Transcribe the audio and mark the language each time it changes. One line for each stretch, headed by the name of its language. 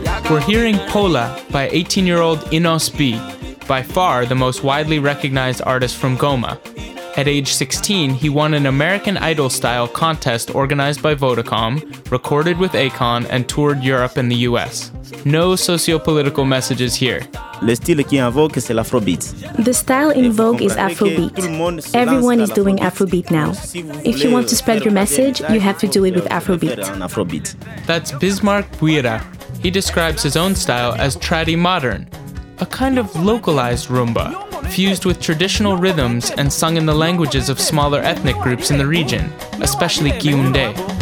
English: We're hearing Pola by 18-year-old Inos B, by far the most widely recognized artist from Goma. At age 16, he won an American Idol-style contest organized by Vodacom, recorded with Akon, and toured Europe and the US. No socio-political messages here.
French: Le style qui est en vogue, c'est l'afrobeat.
English: The style in vogue is Afrobeat. Everyone is doing Afrobeat now. If you want to spread your message, you have to do it with Afrobeat. That's Bismarck Buira. He describes his own style as tradi modern, a kind of localized rumba, fused with traditional rhythms and sung in the languages of smaller ethnic groups in the region, especially Kiunde.